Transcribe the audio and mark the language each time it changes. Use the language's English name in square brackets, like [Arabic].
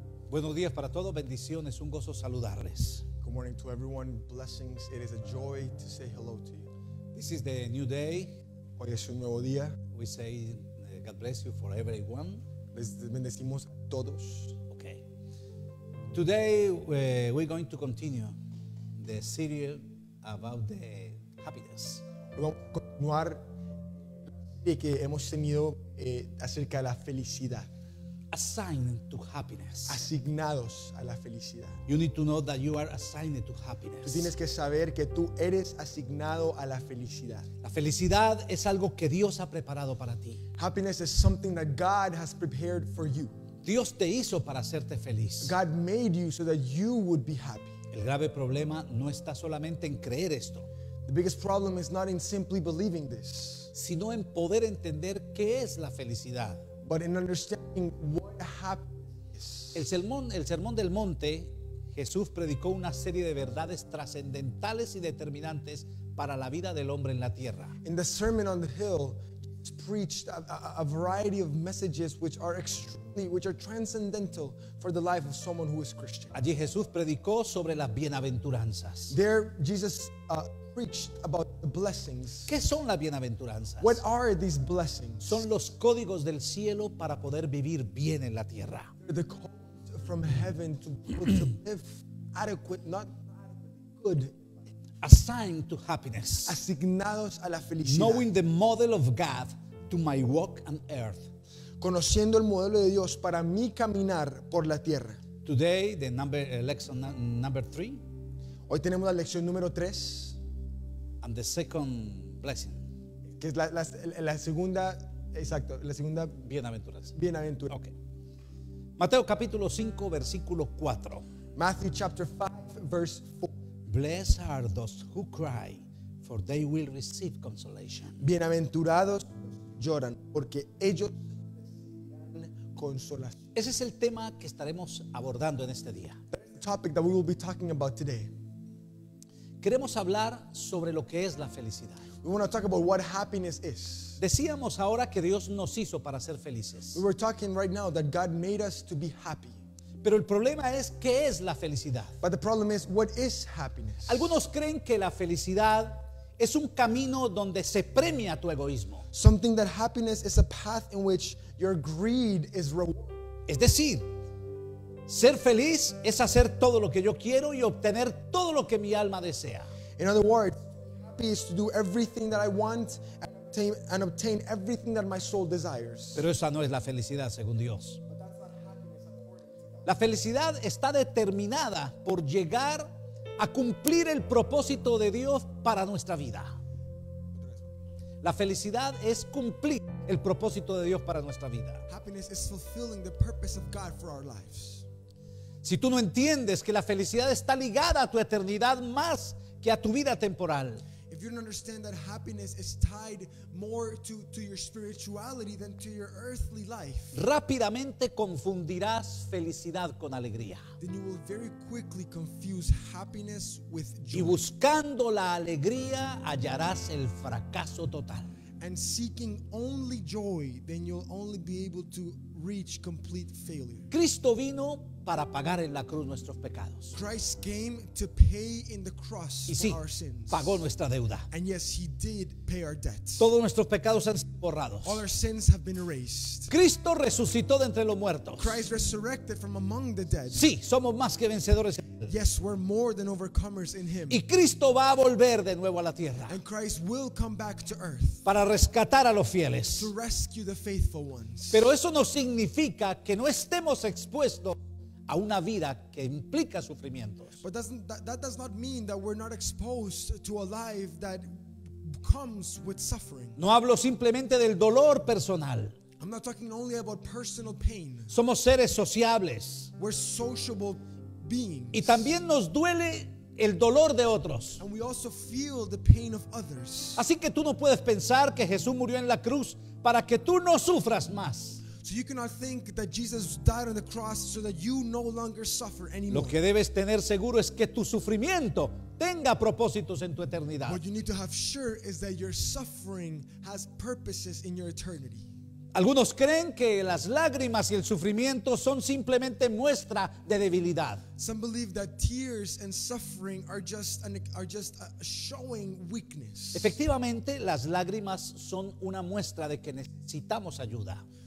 [Spanish] Buenos días para todos, bendiciones, un gozo saludarles. [English] Good morning to everyone, blessings. It is a joy to say hello to you. This is the new day. [Spanish] Hoy es un nuevo día. [English] We say God bless you for everyone. [Spanish] Les bendecimos a todos. Okay. [English] Today we're going to continue the series about the happiness. [Spanish] Vamos a continuar lo que hemos tenido acerca de la felicidad. [English] Assigned to happiness. [Spanish] Asignados a la felicidad. [English] You need to know that you are assigned to happiness. [Spanish] Tú tienes que saber que tú eres asignado a la felicidad. La felicidad es algo que Dios ha preparado para ti. [English] Happiness is something that God has prepared for you. [Spanish] Dios te hizo para hacerte feliz. [English] God made you so that you would be happy. [Spanish] El grave problema no está solamente en creer esto. [English] The biggest problem is not in simply believing this, [Spanish] sino en poder entender qué es la felicidad. [English] But in understanding what happiness. [Spanish] El sermón del monte, Jesús predicó una serie de verdades trascendentales y determinantes para la vida del hombre en la tierra. [English] In the Sermon on the Hill, Jesus preached a variety of messages which are transcendental for the life of someone who is Christian. [Spanish] Allí Jesús predicó sobre las bienaventuranzas. [English] There Jesus preached about the blessings. [Spanish] ¿Qué son las bienaventuranzas? [English] What are these blessings? [Spanish] Son los códigos del cielo para poder vivir bien en la tierra. [English] The code from heaven to live adequate, not good. Assigned to happiness. [Spanish] Asignados a la felicidad. [English] Knowing the model of God to my walk on earth. [Spanish] Conociendo el modelo de Dios para mi caminar por la tierra. [English] Today, the number lesson number three. [Spanish] Hoy tenemos la lección número 3. [English] And the second blessing. [Spanish] Que es la segunda, exacto, la segunda bienaventura. Okay. Mateo capítulo 5 versículo 4. [English] Matthew chapter 5 verse 4. Blessed are those who cry, for they will receive consolation. [Spanish] Bienaventurados lloran porque ellos recibirán consolación. Ese es el tema que estaremos abordando en este día. [English] The topic that we will be talking about today. [Spanish] Queremos hablar sobre lo que es la felicidad. [English] We want to talk about what happiness is. [Spanish] Decíamos ahora que Dios nos hizo para ser felices. [English] We were talking right now that God made us to be happy. [Spanish] Pero el problema es, ¿qué es la felicidad? [English] But the problem is, what is happiness? [Spanish] Algunos creen que la felicidad es un camino donde se premia tu egoísmo. [English] Something that happiness is a path in which your greed is rewarded. [Spanish] Es decir, ser feliz es hacer todo lo que yo quiero y obtener todo lo que mi alma desea. [English] In other words, happy is to do everything that I want and obtain everything that my soul desires. [Spanish] Pero esa no es la felicidad según Dios. La felicidad está determinada por llegar a cumplir el propósito de Dios para nuestra vida. La felicidad es cumplir el propósito de Dios para nuestra vida. [English] Happiness is fulfilling the purpose of God for our lives. [Spanish] Si tú no entiendes que la felicidad está ligada a tu eternidad más que a tu vida temporal. [English] If you don't understand that happiness is tied more to your spirituality than to your earthly life. [Spanish] Rápidamente confundirás felicidad con alegría. [English] Then you will very quickly confuse happiness with joy. [Spanish] Y buscando la alegría hallarás el fracaso total. [English] And seeking only joy, then you'll only be able to reach complete failure. [Spanish] Cristo vino para pagar en la cruz nuestros pecados. [English] Christ came to pay in the cross [Spanish] y sí, [English] for our sins. [Spanish] Pagó nuestra deuda. [English] And yes, he did pay our debt. [Spanish] Todos nuestros pecados han sido borrados. [English] All our sins have been erased. [Spanish] Cristo resucitó de entre los muertos. [English] Christ resurrected from among the dead. [Spanish] Sí, somos más que vencedores. [English] Yes, we're more than overcomers in him. [Spanish] Y Cristo va a volver de nuevo a la tierra. [English] And Christ will come back to earth. [Spanish] Para rescatar a los fieles. [English] To rescue the faithful ones. [Spanish] Pero eso no significa que no estemos expuestos a una vida que implica sufrimientos. [English] But that does not mean that we're not exposed to a life that comes with suffering. [Spanish] No hablo simplemente del dolor personal. [English] I'm not talking only about personal pain. [Spanish] Somos seres sociables. [English] We're sociable beings. [Spanish] Y también nos duele el dolor de otros. [English] And we also feel the pain of others. [Spanish] Así que tú no puedes pensar que Jesús murió en la cruz para que tú no sufras más. [English] So you cannot think that Jesus died on the cross so that you no longer suffer anymore. [Spanish] Lo que debes tener seguro es que tu sufrimiento tenga propósitos en tu eternidad. [English] What you need to have sure is that your suffering has purposes in your eternity. [Spanish] Algunos creen que las lágrimas y el sufrimiento son simplemente muestra de debilidad. [English] Some believe that tears and suffering are just showing weakness. [Spanish] Efectivamente, las lágrimas son una muestra de que necesitamos ayuda.